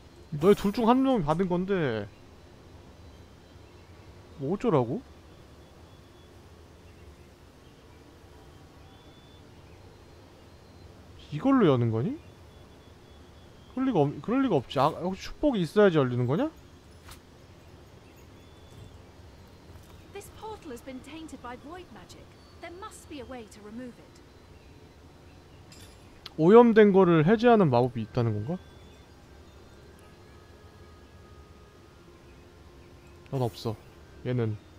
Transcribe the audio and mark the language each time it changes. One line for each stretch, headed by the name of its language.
Korean: 너희 둘 중 한 명이 받은 건데 뭐 어쩌라고? 이걸로 여는 거니? 그럴 리가 없지. 아, 혹시 축복이 있어야지 열리는 거냐?
English: This portal has been tainted by void magic. There must be a way to remove it.
Korean: 오염된 거를 해제하는 마법이 있다는 건가? 넌 없어. 얘는.